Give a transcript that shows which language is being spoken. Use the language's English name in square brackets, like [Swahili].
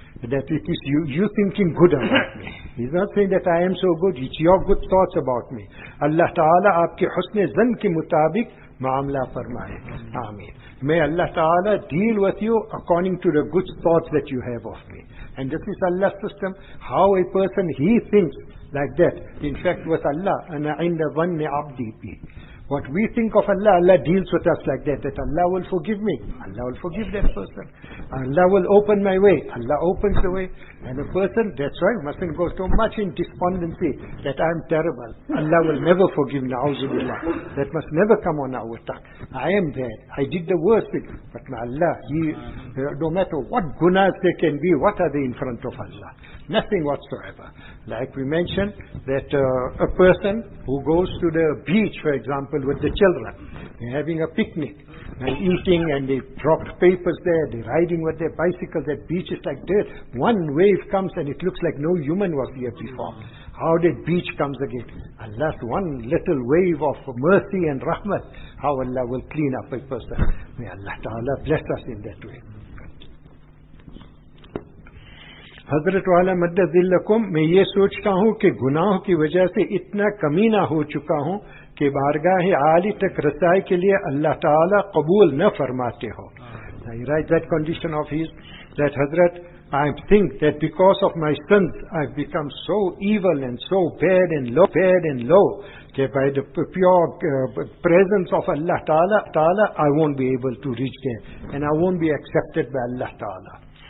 [English] That it is you thinking good about me. He's not saying that I am so good, it's your good thoughts about me. Allah Ta'ala, [Urdu] aapke husne zan ke mutabik, معاملہ فرمائے. آمین. [English] May Allah Ta'ala deal with you according to the good thoughts that you have of me. And this is Allah's system, how a person, he thinks like that. In fact, with Allah, [Arabic] أَنَا عِنْدَ ظَنِّ عَبْدِي بِي. [English] What we think of Allah, Allah deals with us like that. That Allah will forgive me, Allah will forgive that person. Allah will open my way, Allah opens the way. And a person, that's why, mustn't go so much in despondency that I am terrible. Allah will never forgive me, [Arabic] أعوذ بالله. [English] That must never come on our tongue. I am bad, I did the worst thing. But Allah, no matter what gunas they can be, what are they in front of Allah? Nothing whatsoever. Like we mentioned, that a person who goes to the beach, for example, with the children, they're having a picnic, and eating, and they drop papers there, they're riding with their bicycles, that beach is like dirt. One wave comes and it looks like no human was here before. How did beach comes again? Allah's one little wave of mercy and rahmat, how Allah will clean up a person. May Allah Ta'ala bless us in that way. [Urdu] حضرت والا مد ذلکم, میں یہ سوچتا ہوں کہ گناہوں کی وجہ سے اتنا کمینہ ہو چکا ہوں کہ بارگاہ عالی تک رسائی کے لیے اللہ تعالی قبول نہ فرماتے ہو. [English] That condition of his, that حضرت, I think that because of my sins I've become so evil and so bad and low, bad and low, that by the pure presence of Allah Ta'ala, I won't be able to reach there and I won't be accepted by Allah Ta'ala.